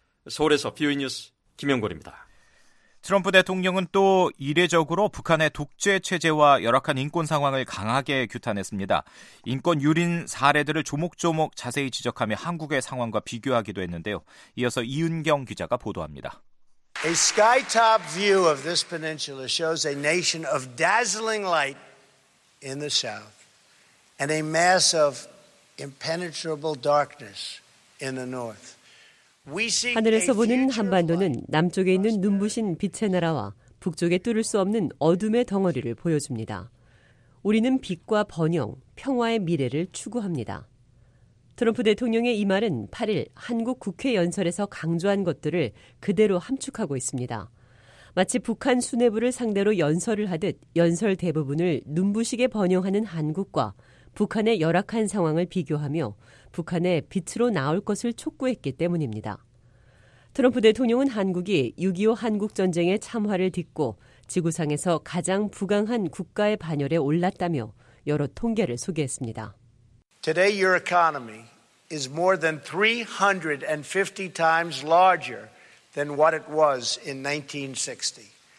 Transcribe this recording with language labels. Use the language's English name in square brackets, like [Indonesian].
[Korean] 서울에서 VOA 뉴스 김영골입니다. 트럼프 대통령은 또 이례적으로 북한의 독재 체제와 열악한 인권 상황을 강하게 규탄했습니다. 인권 유린 사례들을 조목조목 자세히 지적하며 한국의 상황과 비교하기도 했는데요. 이어서 이은경 기자가 보도합니다. [English] A sky-top view of this peninsula shows a nation of dazzling light in the south and a mass of impenetrable darkness in the north. [Korean] 하늘에서 보는 한반도는 남쪽에 있는 눈부신 빛의 나라와 북쪽에 뚫을 수 없는 어둠의 덩어리를 보여줍니다. 우리는 빛과 번영, 평화의 미래를 추구합니다. 트럼프 대통령의 이 말은 8일 한국 국회 연설에서 강조한 것들을 그대로 함축하고 있습니다. 마치 북한 수뇌부를 상대로 연설을 하듯 연설 대부분을 눈부시게 번영하는 한국과 북한의 열악한 상황을 비교하며 북한의 빛으로 나올 것을 촉구했기 때문입니다. 트럼프 대통령은 한국이 6.25 한국전쟁의 참화를 딛고 지구상에서 가장 부강한 국가의 반열에 올랐다며 여러 통계를 소개했습니다. [English] Today your economy is more than 350 times larger than what it was in 1960.